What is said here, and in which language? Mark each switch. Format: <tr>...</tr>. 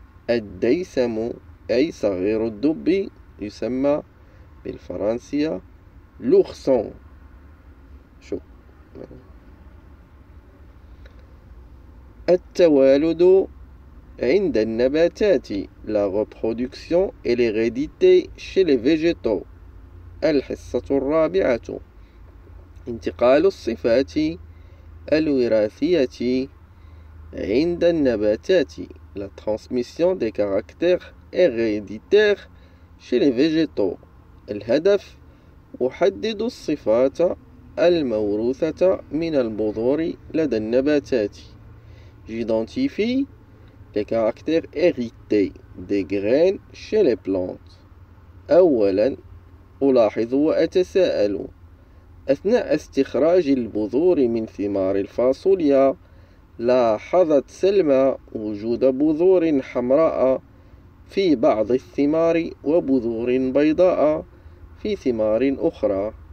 <ar>الديسمو أي صغير الدب يسمى بالفرنسية لورسون. شو التوالد عند النباتات.</ar> <fr>La reproduction et l'hérédité chez les végétaux.</fr> <ar>الحصة الرابعة انتقال الصفات الوراثية عند النباتات.</ar> <fr>La transmission des caractères héréditaires chez les végétaux.</fr> <ar>الهدف أحدد الصفات الموروثة من البذور لدى النباتات.</ar> <fr>J'identifie les caractères hérités des graines chez les plantes.</fr> <ar>أولا ألاحظ وأتساءل أثناء استخراج البذور من ثمار الفاصوليا لاحظت سلمى وجود بذور حمراء في بعض الثمار وبذور بيضاء في ثمار أخرى.</ar>